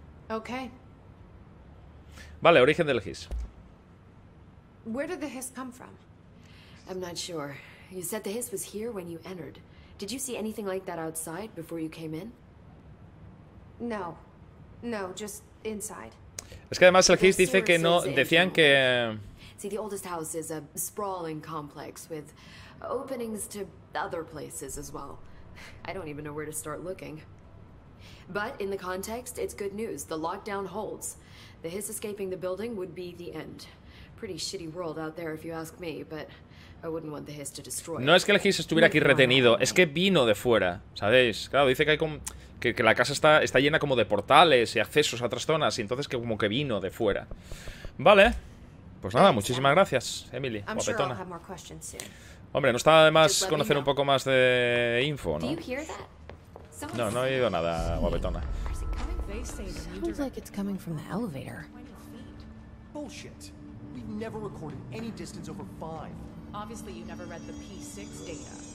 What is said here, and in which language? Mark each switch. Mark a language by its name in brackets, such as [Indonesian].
[English] Okay. [Spanish] Vale, origen del GIS. [English] Where did the GIS come from? I'm not sure. You said the GIS was here when you entered. Did you see anything like that outside before you came in? No. No, just inside. [Spanish] Es que además el Gis dice que no, decían que... [English] See, the oldest house is a sprawling complex with openings to other places as well. I don't even know where to start looking. But in the context, it's good news. The lockdown holds. The Hiss escaping the building would be the end. Pretty shitty world out there if you ask me, but I wouldn't want the Hiss to destroy. [Spanish] No es que el Hiss estuviera aquí retenido, es que vino de fuera, ¿sabéis? Claro, dice que hay como que la casa está llena como de portales y accesos a otras zonas y entonces que como que vino de fuera. Vale. Pues nada, muchísimas gracias, Emily. Guapetona. Hombre, no está de más conocer un poco más de info, ¿no? No, no he oído nada, guapetona. [English] Sounds like it's coming from the elevator. Bullshit. We've never recorded any distance over 5. Obviously you never read the P6 data.